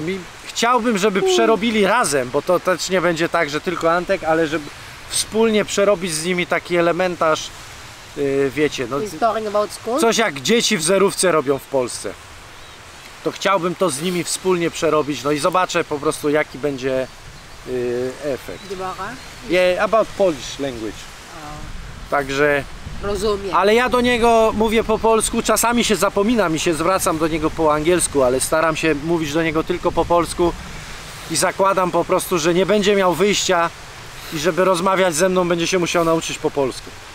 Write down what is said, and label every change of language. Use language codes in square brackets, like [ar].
[pl] I chciałbym, żeby przerobili razem, bo to też nie będzie tak, że tylko Antek, ale żeby wspólnie przerobić z nimi taki elementarz, wiecie, no, coś jak dzieci w zerówce robią w Polsce. To chciałbym to z nimi wspólnie przerobić, no i zobaczę po prostu, jaki będzie efekt. [en] Yeah, about Polish language. [pl] Także... Rozumiem. Ale ja do niego mówię po polsku, czasami się zapominam i się zwracam do niego po angielsku, ale staram się mówić do niego tylko po polsku i zakładam po prostu, że nie będzie miał wyjścia i żeby rozmawiać ze mną, będzie się musiał nauczyć po polsku.